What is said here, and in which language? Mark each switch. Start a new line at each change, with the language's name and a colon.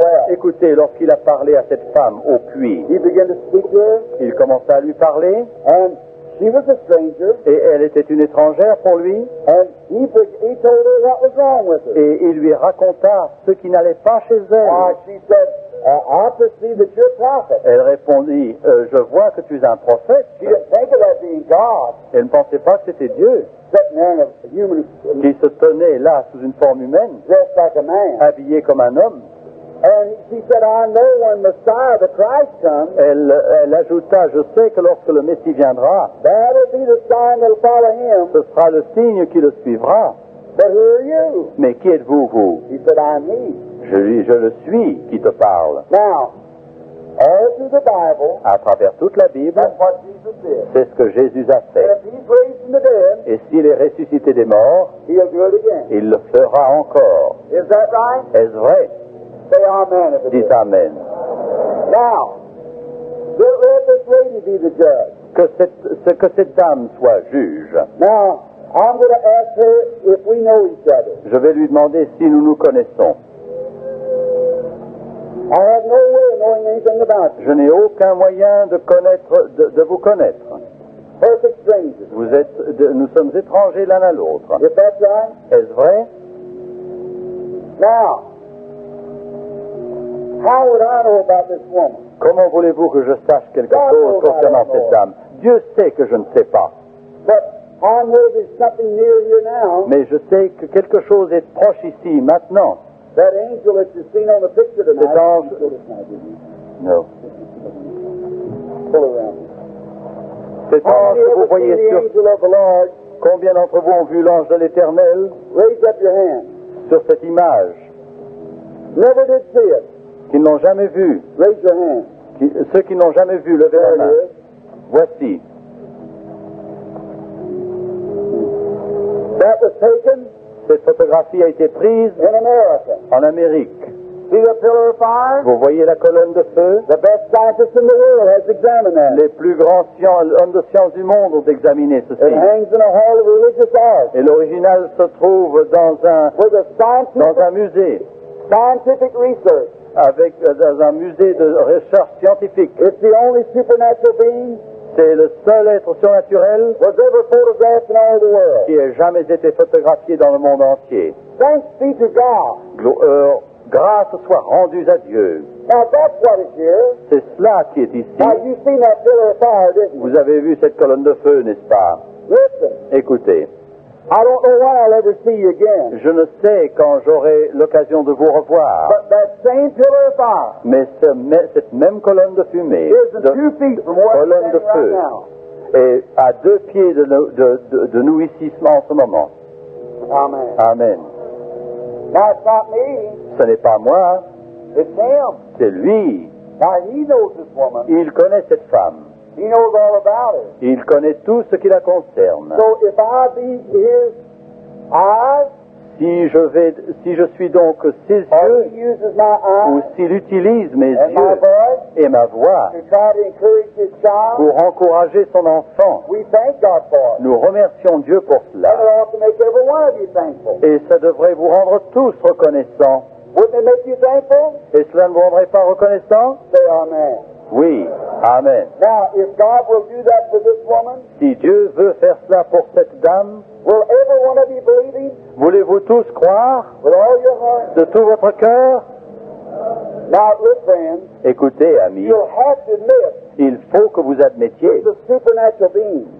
French: Écoutez, lorsqu'il a parlé à cette femme au puits, il commença à lui parler.
English: He was a stranger.
French: Et elle était une étrangère pour lui.
English: And he told her what was wrong with her.
French: Et il lui raconta ce qui n'allait pas chez elle.
English: She said, I perceive that you're a prophet.
French: Elle répondit, je vois que tu es un prophète.
English: She didn't think of that being God.
French: Elle ne pensait pas que c'était Dieu. Qui se tenait là sous une forme humaine,
English: dressed like a man.
French: Habillé comme un homme.
English: And she said, I know when Messiah, the Christ, comes.
French: Elle ajouta, je sais que lorsque le Messie viendra,
English: that'll be the sign that'll follow him.
French: Ce sera le signe qui le suivra.
English: But who are you?
French: Mais qui êtes-vous, vous?
English: He said, I'm he.
French: Je le suis qui te parle.
English: Now, all through the Bible,
French: à travers toute la Bible,
English: that's what Jesus did.
French: C'est ce que Jésus a fait.
English: And if he's raised from the dead,
French: et s'il est ressuscité des morts,
English: he'll do it again.
French: Il le fera encore.
English: Is that right?
French: Est-ce vrai?
English: Say amen if it is.
French: Dites amen.
English: Now, let this lady be the judge.
French: Que cette dame soit juge.
English: Now, I'm going to ask her if we know each other.
French: Je vais lui demander si nous nous connaissons.
English: I have no way of knowing anything about you.
French: Je n'ai aucun moyen de vous connaître.
English: Perfect strangers.
French: Nous sommes étrangers l'un à l'autre.
English: Is that right?
French: Est-ce vrai?
English: Now, how would I know about this woman?
French: Comment voulez-vous que je sache quelque
English: God
French: chose concernant cette dame? Dieu sait que je ne sais pas.
English: But I know there's something near you now.
French: Mais je sais que quelque chose est proche ici, maintenant.
English: That angel that you've seen on the picture tonight.
French: Cet ange...
English: No.
French: Cet ange que vous voyez sur... Combien d'entre vous ont vu l'ange de l'Éternel?
English: Raise up your hand.
French: Sur cette image.
English: Never did see it.
French: Qui n'ont jamais vu.
English: Raise your hand.
French: Ceux qui n'ont jamais vu, levez la main. Voici.
English: That was taken.
French: Cette photographie a été prise
English: in America.
French: En Amérique.
English: See the pillar of fire?
French: Vous voyez la colonne de feu?
English: The best scientists in the world has examined that.
French: Les plus grands hommes de science du monde ont examiné ceci.
English: It hangs in a hall of religious art.
French: Et l'original se trouve dans un musée.
English: Scientific research.
French: Avec un musée de recherche scientifique.
English: It's the only supernatural being.
French: C'est le seul être surnaturel
English: was ever photographed in all the world.
French: Qui ait jamais été photographié dans le monde entier.
English: Thanks be to God.
French: Grâce soit rendue à Dieu.
English: Now that's what is here.
French: C'est cela qui est ici.
English: Now you've seen that pillar of fire, didn't you?
French: Vous avez vu cette colonne de feu, n'est-ce pas?
English: Listen.
French: Écoutez.
English: I don't know when I'll ever see you again.
French: Je ne sais quand j'aurai l'occasion de vous revoir.
English: But that same pillar of fire.
French: Mais cette même colonne de fumée. Colonne de feu.
English: Right now.
French: Et à deux pieds de nous ici en ce moment. Amen. Amen.
English: That's not me.
French: Ce n'est pas moi.
English: It's him.
French: C'est lui.
English: Now he knows this woman.
French: Il connaît cette femme.
English: He knows all about it.
French: Il connaît tout ce qui la concerne.
English: So if I be his eyes,
French: si je suis donc ses yeux,
English: he uses my eyes,
French: ou s'il utilise mes
English: and
French: yeux
English: my voice,
French: et ma voix
English: to try to encourage his child,
French: pour encourager son enfant,
English: we thank God for it.
French: Nous remercions Dieu pour cela.
English: And it ought to make every one of you thankful.
French: Et ça devrait vous rendre tous reconnaissants.
English: Wouldn't it make you thankful?
French: Et cela ne vous rendrait pas reconnaissant?
English: Say amen.
French: Oui. Amen.
English: Now, if God will do that for this woman,
French: si Dieu veut faire cela pour cette dame,
English: will every one of you believe?
French: Voulez-vous tous croire?
English: With all your heart.
French: De tout votre cœur?
English: Now, look, friends.
French: Écoutez, amis.
English: You'll have to admit.
French: Il faut que vous admettiez.
English: It's a supernatural being.